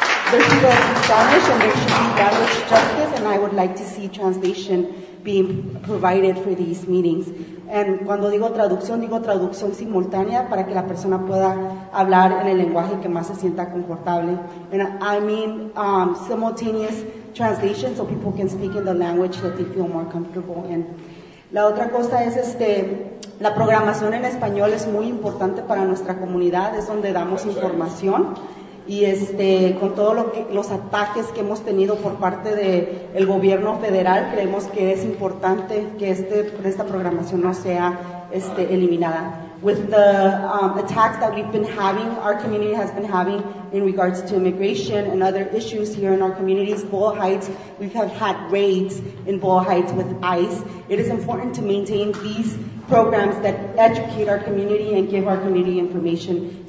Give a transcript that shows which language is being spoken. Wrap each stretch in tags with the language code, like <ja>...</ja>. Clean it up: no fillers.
<en>There's people in Spanish and there should be language justice, and I would like to see translation being provided for these meetings.</en> <es>And cuando digo traducción simultánea para que la persona pueda hablar en el lenguaje que más se sienta confortable.</es> <en>And I mean simultaneous translation so people can speak in the language that they feel more comfortable in.</en> <es>La otra cosa es la programación en español es muy importante para nuestra comunidad, es donde damos información. Y con todo los ataques que hemos tenido por parte del gobierno federal, creemos que es importante que esta programación no sea eliminada.</es> <en>With the attacks that we've been having, our community has been having in regards to immigration and other issues here in our communities, Boyle Heights, we've had raids in Boyle Heights with ICE. It is important to maintain these programs that educate our community and give our community information.</en>